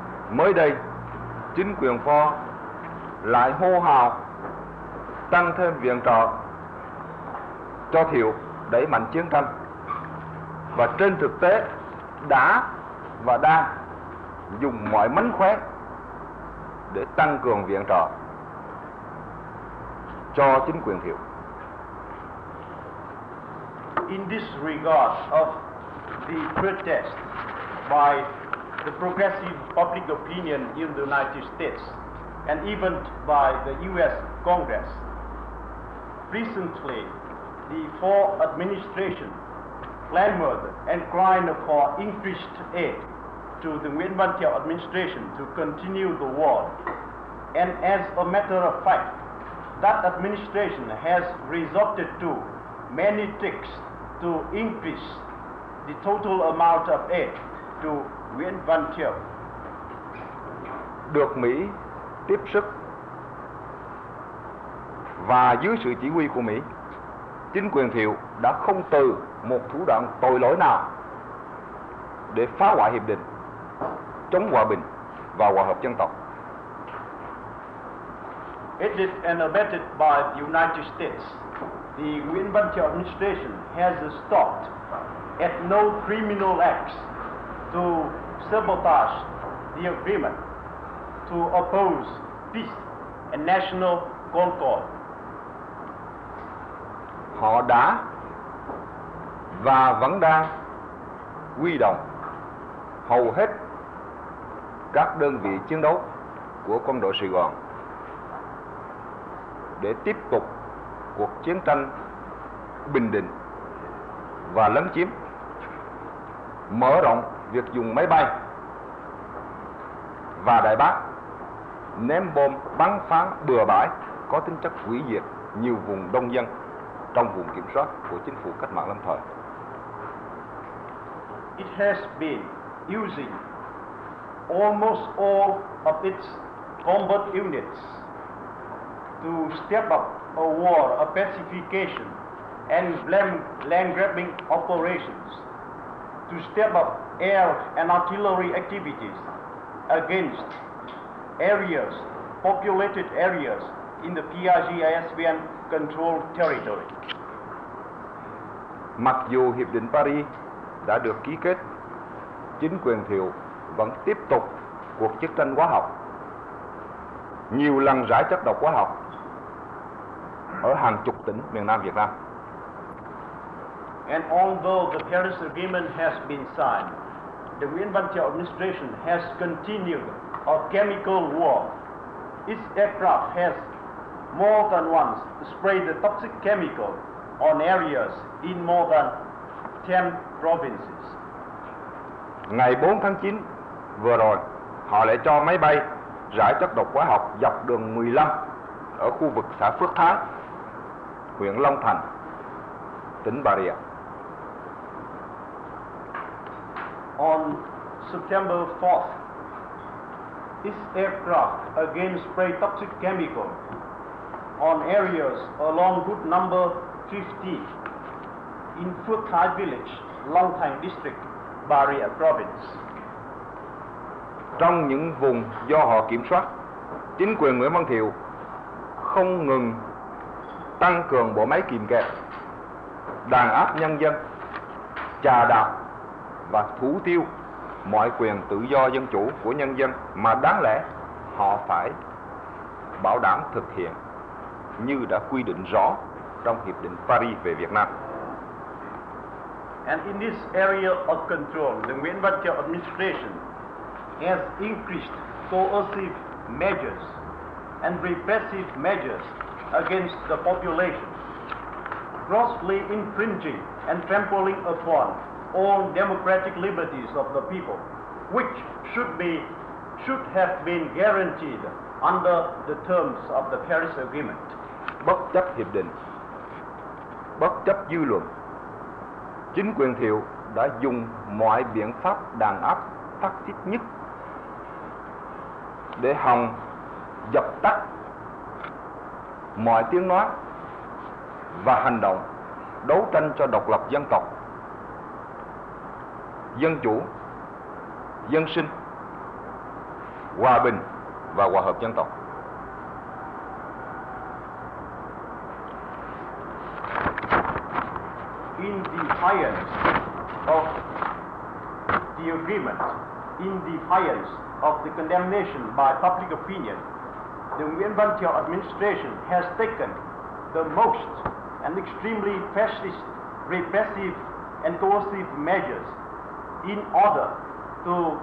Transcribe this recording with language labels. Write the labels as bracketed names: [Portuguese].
[Vietnamese] mới đây chính quyền Ford lại hô hào tăng thêm viện trợ cho Thiệu, đẩy mạnh chiến tranh, và trên thực tế đã và đang dùng mọi mánh khóe để tăng cường viện trợ cho chính quyền Thiệu. [English] In this regard of the protest by the progressive public opinion in the United States and even by the U.S. Congress, recently the Ford administration clamored and cried for increased aid to the Nguyễn Văn Thiệu administration to continue the war. And as a matter of fact, that administration has resorted to many tricks to increase the total amount of aid to Nguyễn Văn Thiệu. [Vietnamese] Được Mỹ tiếp sức và dưới sự chỉ huy của Mỹ, chính quyền Thiệu đã không từ một thủ đoạn tội lỗi nào để phá hoại hiệp định chống hòa bình và hòa hợp dân tộc. [English] Aided and abetted by the United States, the Nguyễn Văn Thiệu administration has stopped at no criminal acts to sabotage the agreement to oppose peace and national concord. [Vietnamese] Họ đã và vẫn đang huy động hầu hết các đơn vị chiến đấu của quân đội Sài Gòn để tiếp tục cuộc chiến tranh bình định và lấn chiếm, mở rộng việc dùng máy bay và đại bác ném bom bắn phá bừa bãi có tính chất hủy diệt nhiều vùng đông dân trong vùng kiểm soát của chính phủ cách mạng lâm thời. [English] It has been using almost all of its combat units to step up a war of pacification and land grabbing operations, to step up air and artillery activities against areas, populated areas in the PRGISVN controlled territory. [Vietnamese] Mặc dù Hiệp định Paris đã được ký kết, chính quyền Thiệu vẫn tiếp tục cuộc chiến tranh hóa học, nhiều lần rải chất độc hóa học ở hàng chục tỉnh miền Nam Việt Nam. [English] And although the Paris Agreement has been signed, the Nguyễn Văn Thiệu administration has continued a chemical war. Its aircraft has more than once sprayed the toxic chemical on areas in more than 10 provinces. [Vietnamese] Ngày 4 tháng 9 vừa rồi, họ lại cho máy bay rải chất độc hóa học dọc đường 15 ở khu vực xã Phước Thái, huyện Long Thành, tỉnh Bà Rịa. [English] On September 4th, this aircraft again sprayed toxic chemical on areas along route number 15 in Phước Thái village, Long Thành district, Bà Rịa province. [Vietnamese] Trong những vùng do họ kiểm soát, chính quyền Nguyễn Văn Thiệu không ngừng tăng cường bộ máy kìm kẹp, đàn áp nhân dân, chà đạp và thủ tiêu mọi quyền tự do dân chủ của nhân dân mà đáng lẽ họ phải bảo đảm thực hiện như đã quy định rõ trong Hiệp định Paris về Việt Nam. [English] And in this area of control, the Nguyễn Văn Thiệu administration has increased coercive measures and repressive measures against the population, grossly infringing and trampling upon all democratic liberties of the people. which should have been guaranteed under the terms of the Paris Agreement. [Vietnamese] Bất chấp hiệp định, bất chấp dư luận, chính quyền Thiệu đã dùng mọi biện pháp đàn áp phát xít nhất để hòng dập tắt mọi tiếng nói và hành động đấu tranh cho độc lập dân tộc, dân chủ, dân sinh, hòa bình và hòa hợp dân tộc. [English] In defiance of the agreement, in defiance of the condemnation by public opinion, the Nguyễn Văn Thiệu administration has taken the most and extremely fascist, repressive and coercive measures in order to